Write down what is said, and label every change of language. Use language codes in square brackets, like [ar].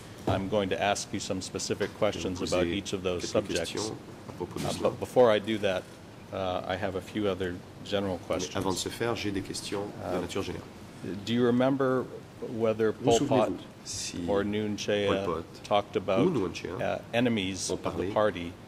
[en] I'm going to ask you some specific questions about each of those subjects. [fr] À propos de cela. [en] But before I do that, I have a few other general questions. [fr] Mais avant de se faire, j'ai des questions de nature générale. [en] Do you remember whether Pol Pot [fr] si [en] or Nguyen Chea talked about enemies of the party